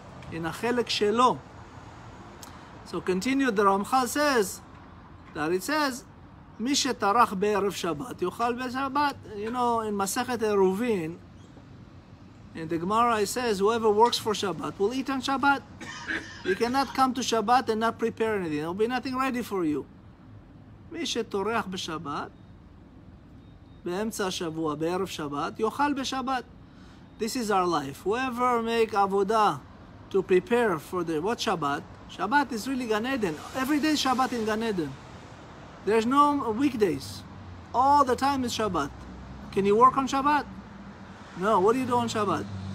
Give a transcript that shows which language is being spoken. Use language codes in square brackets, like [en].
[en] In a chelek shelo. So continue, the Ramchal says, that it says, [he] מי שתרח בערב שבת, יאכל בשבת. [en] You know, in Masechet Eruvin, in the Gemara it says, whoever works for Shabbat will eat on Shabbat. You cannot come to Shabbat and not prepare anything. There will be nothing ready for you. [he] מי שתורח בשבת, באמצע השבוע, בערב שבת, יאכל בשבת. [en] This is our life. Whoever make avodah to prepare for the, what Shabbat? Shabbat is really Gan Eden. Every day is Shabbat in Gan Eden. There's no weekdays. All the time is Shabbat. Can you work on Shabbat? No, what do you do on Shabbat?